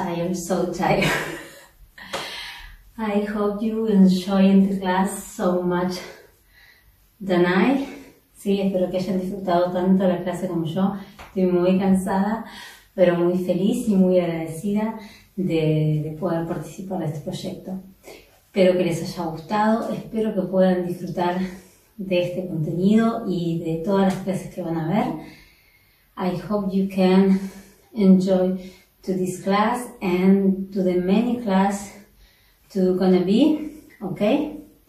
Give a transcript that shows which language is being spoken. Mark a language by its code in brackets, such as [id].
[en] I hope you enjoyed the class so much than I. [es] Sí, espero que hayan disfrutado tanto la clase como yo. Estoy muy cansada, pero muy feliz y muy agradecida de poder participar de este proyecto. Espero que les haya gustado, espero que puedan disfrutar de este contenido y de todas las clases que van a ver. [en] I hope you can enjoy to this class and to the many class to gonna be, okay?